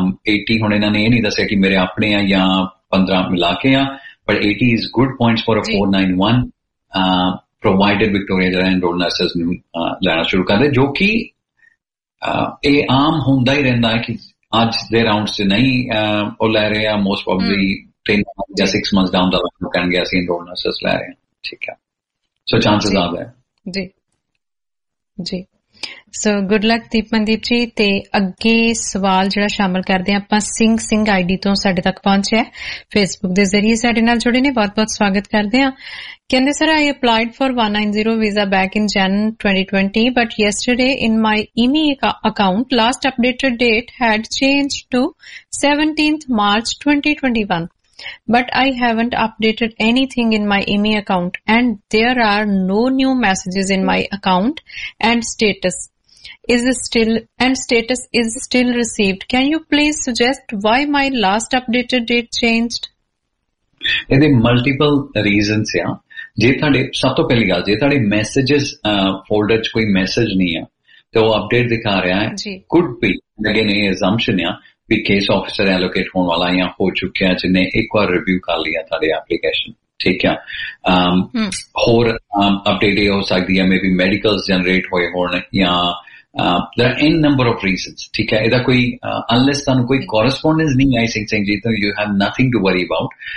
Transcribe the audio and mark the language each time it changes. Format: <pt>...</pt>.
<pa>80 ਹੁਣ ਇਹਨਾਂ ਨੇ ਇਹ ਨਹੀਂ ਦੱਸਿਆ ਕਿ ਮੇਰੇ ਆਪਣੇ ਆ ਜਾਂ 15 ਮਿਲਾ ਕੇ ਆ, ਪਰ 80</pa> <en>is good point for a</en> <pa>491 provided Victoria ਜਿਹੜਾ ਐਨਰੋਲ ਨਰਸਿਸ ਨੂੰ ਲੈਣਾ ਸ਼ੁਰੂ ਕਰ ਦੇ, ਜੋ ਕਿ ਇਹ ਆਮ ਹੁੰਦਾ ਹੀ ਰਹਿੰਦਾ ਹੈ ਕਿ ਅੱਜ ਦੇ ਰਾਊਂਡ ਚ ਨਹੀਂ ਉਹ ਲੈ ਰਹੇ ਆ, ਮੋਸਟ ਪ੍ਰੋਬਬਲੀ 3 ਜਾਂ 6 ਮੰਥ ਡਾਊਨ ਦਾ ਲਾਈਨ ਕਹਿੰਗੇ ਅਸੀਂ ਐਨਰੋਲ ਨਰਸਿਸ ਲੈ ਰਹੇ ਹਾਂ, ਠੀਕ ਹੈ। ਸੋ ਚਾਂਸਿਸ ਆ ਗਏ ਜੀ ਜੀ। ਸੋ ਗੁੱਡ ਲੱਕ ਦੀਪ ਮਨਦੀਪ ਜੀ। ਤੇ ਅੱਗੇ ਸਵਾਲ ਜਿਹੜਾ ਸ਼ਾਮਲ ਕਰਦੇ ਆ ਆਪਾਂ, ਸਿੰਘ ਸਿੰਘ ਆਈ ਡੀ ਤੋਂ ਸਾਡੇ ਤੱਕ ਪਹੁੰਚਿਆ, ਫੇਸਬੁੱਕ ਦੇ ਜ਼ਰੀਏ ਸਾਡੇ ਨਾਲ ਜੁੜੇ ਨੇ, ਬਹੁਤ ਬਹੁਤ ਸਵਾਗਤ ਕਰਦੇ ਆ। ਕਹਿੰਦੇ sir,</pa> <en>I applied for 190 visa back in Jan 2020, but yesterday in my immi account last updated date had change to 17th March 2021, but I haven't updated anything in my IMEI account and there are no new messages in my account and status is still received. Can you please suggest why my last updated date changed? There are multiple reasons. First of all, if you don't have any messages in the folder, then the update is showing. Could be, again, an assumption.</en> <pa>Case officer allocate ਹੋਣ ਵਾਲਾ ਜਾਂ ਹੋ ਚੁੱਕਿਆ ਜਿਹਨੇ ਇੱਕ ਵਾਰ review ਕਰ ਲਿਆ ਤੁਹਾਡੇ ਐਪਲੀਕੇਸ਼ਨ, ਠੀਕ ਆ। ਹੋਰ ਅਪਡੇਟ ਇਹ ਹੋ ਸਕਦੀ ਹੈ, ਮੇ ਬੀ ਮੈਡੀਕਲ ਜਨਰੇਟ ਹੋਏ ਹੋਣ ਜਾਂ ਇਨ ਨੰਬਰ ਆਫ ਰੀਜ਼ਨ, ਠੀਕ ਹੈ। ਇਹਦਾ ਕੋਈ ਅਨਲੈਸ ਤੁਹਾਨੂੰ ਕੋਈ ਕੋਰਸਪੋਂਡੈਂਸ ਨਹੀਂ ਆਈ ਸਿੰਘ ਸਿੰਘ ਜੀ, ਤੋਂ</pa> <en>You have nothing to worry about.</en>